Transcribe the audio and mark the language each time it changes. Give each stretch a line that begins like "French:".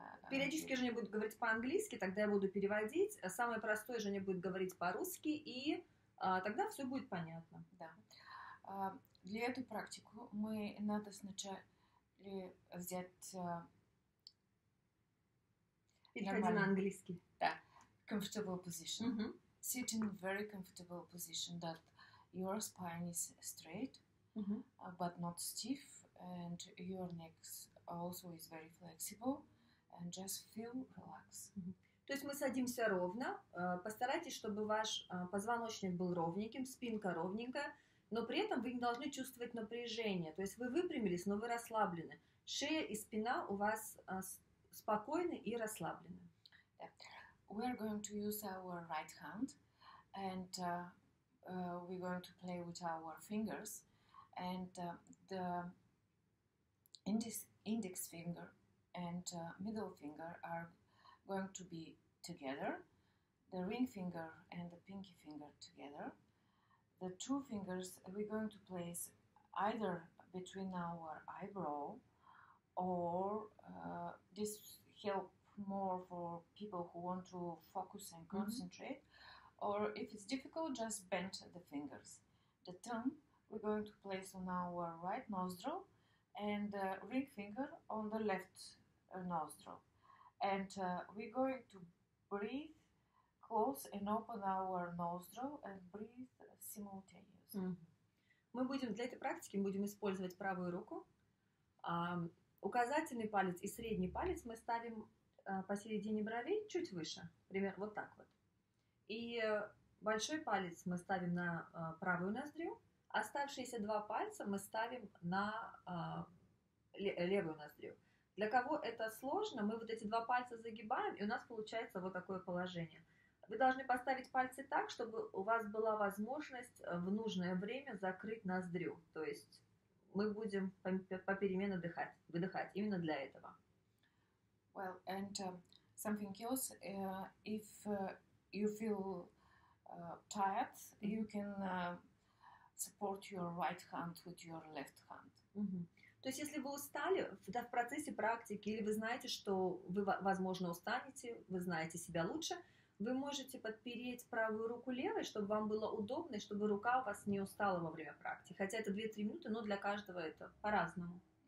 Russian: Периодически Женя будет говорить по-английски, тогда я буду переводить. Самое простое, Женя будет говорить по-русски, и тогда все будет понятно. Да. Для этой практики мы надо сначала взять... Переходи на английский. Да.
English: Comfortable position. Sit in a very comfortable position that your spine is straight, but not stiff, and your neck also is very flexible, and just feel relaxed.
Russian: То есть мы садимся ровно. Постарайтесь, чтобы ваш позвоночник был ровненьким, спинка ровненькая, но при этом вы не должны чувствовать напряжение. То есть вы выпрямились, но вы расслаблены. Шея и спина у вас... спокойны и расслаблены.
English: We are going to use our right hand and we're going to play with our fingers and the index finger and middle finger are going to be together, the ring finger and the pinky finger together. The two fingers we're going to place either between our eyebrow or this help more for people who want to focus and concentrate. Or if it's difficult, just bend the fingers. The thumb we're going to place on our right nostril and the ring finger on the left nostril. And we're going to breathe, close and open our nostril and breathe simultaneously.
Russian: Мы будем для этой практики будем использовать правую руку. Указательный палец и средний палец мы ставим посередине бровей, чуть выше, примерно вот так вот. И большой палец мы ставим на правую ноздрю, оставшиеся два пальца мы ставим на левую ноздрю. Для кого это сложно, мы вот эти два пальца загибаем, и у нас получается вот такое положение. Вы должны поставить пальцы так, чтобы у вас была возможность в нужное время закрыть ноздрю. То есть мы будем попеременно дыхать, выдыхать именно для этого.
English: Well, and something else, if you feel tired, you can support your right hand with your left hand.
Russian: То есть, если вы устали в процессе практики, или вы знаете, что вы, возможно, устанете, вы знаете себя лучше, вы можете подпереть правую руку левой, чтобы вам было удобно, и чтобы рука у вас не устала во время практики. Хотя это 2-3 минуты, но для каждого это по-разному.